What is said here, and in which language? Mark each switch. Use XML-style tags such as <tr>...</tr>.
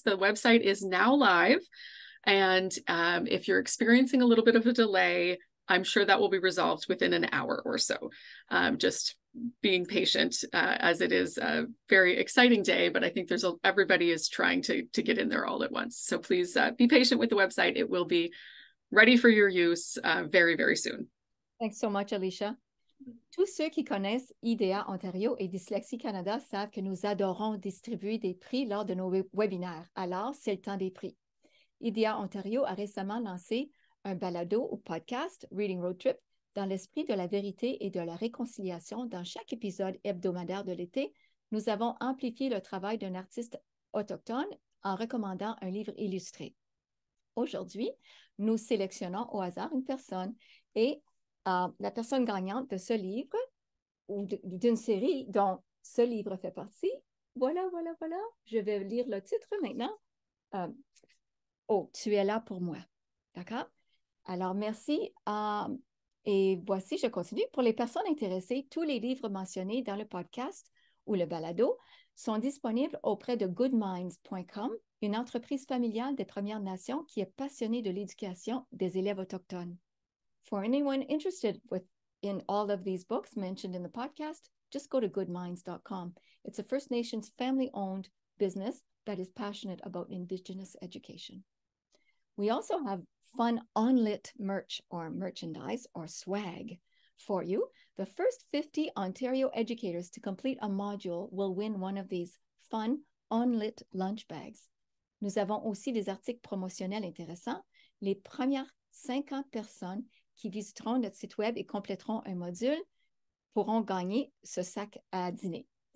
<en>The website is now live. And if you're experiencing a little bit of a delay, I'm sure that will be resolved within an hour or so. Just being patient as it is a very exciting day, but I think everybody is trying to get in there all at once. So please be patient with the website. It will be ready for your use very, very soon. Thanks so much, Alicia.</en> <fr>Tous ceux qui connaissent IDEA Ontario et Dyslexie Canada savent que nous adorons distribuer des prix lors de nos webinaires. Alors, c'est le temps des prix. IDEA Ontario a récemment lancé un balado ou podcast, Reading Road Trip, Dans l'esprit de la vérité et de la réconciliation, dans chaque épisode hebdomadaire de l'été, nous avons amplifié le travail d'un artiste autochtone en recommandant un livre illustré. Aujourd'hui, nous sélectionnons au hasard une personne et la personne gagnante de ce livre ou d'une série dont ce livre fait partie. Voilà. Je vais lire le titre maintenant. Tu es là pour moi. D'accord? Alors, merci. Et voici, je continue. Pour les personnes intéressées, tous les livres mentionnés dans le podcast ou le balado sont disponibles auprès de goodminds.com, une entreprise familiale des Premières Nations qui est passionnée de l'éducation des élèves autochtones.</fr> <en>For anyone interested in all of these books mentioned in the podcast, just go to goodminds.com. It's a First Nations family-owned business that is passionate about Indigenous education. We also have fun ONlit merch or merchandise or swag for you. The first 50 Ontario educators to complete a module will win one of these fun ONlit lunch bags.</en> <fr>Nous avons aussi des articles promotionnels intéressants. Les premières 50 personnes qui visiteront notre site web et compléteront un module pourront gagner ce sac à dîner.</fr>